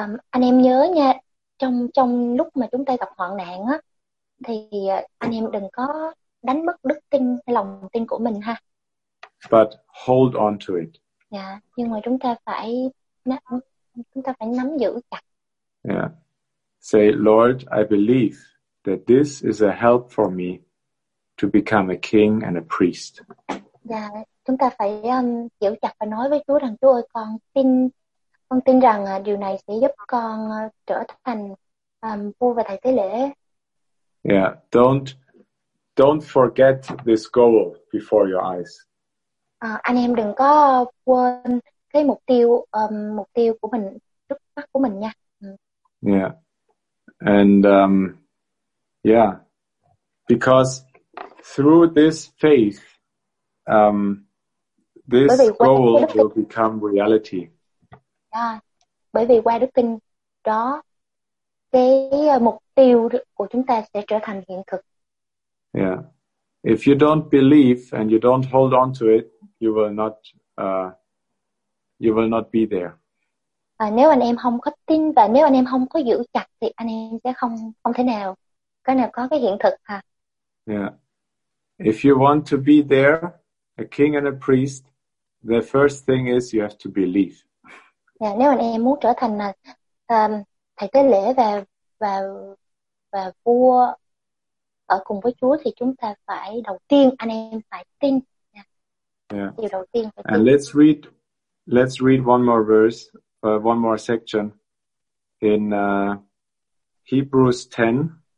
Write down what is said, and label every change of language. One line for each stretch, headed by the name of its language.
Vietnamese: Anh em nhớ nha, trong lúc mà chúng ta gặp hoạn nạn á, thì anh em đừng có đánh mất đức tin, lòng tin của mình ha.
English: But hold on to it.
Vietnamese: Yeah, nhưng mà chúng ta phải nắm giữ chặt.
English: Yeah. Say, Lord, I believe that this is a help for me to become a king and a priest.
Vietnamese: Yeah, chúng ta phải giữ chặt và nói với Chúa rằng, Chúa ơi, con tin rằng điều này sẽ giúp con trở thành vua và thầy tế lễ.
English: Yeah, don't forget this goal before your eyes.
Vietnamese: Anh em đừng có quên cái mục tiêu của mình, trước mắt của mình nha.
English: Yeah. And yeah, because through this faith this goal will become reality.
Vietnamese: Bởi vì qua Đức Kinh đó, cái mục tiêu của chúng ta sẽ trở thành hiện thực.
English: Yeah. If you don't believe and you don't hold on to it, you will not be there.
Vietnamese: Nếu anh em không có tin và nếu anh em không có giữ chặt thì anh em sẽ không không thể nào cái nào có cái hiện thực ha.
English: Yeah. If you want to be there, a king and a priest, the first thing is you have to believe.
Vietnamese: Yeah, nếu anh em muốn trở thành thầy tế lễ và vua ở cùng với Chúa thì chúng ta phải đầu tiên anh em phải tin.
English: Yeah.
Vietnamese: Điều đầu tiên phải
English: tin. And let's read one more verse, one more section in Hebrews 10.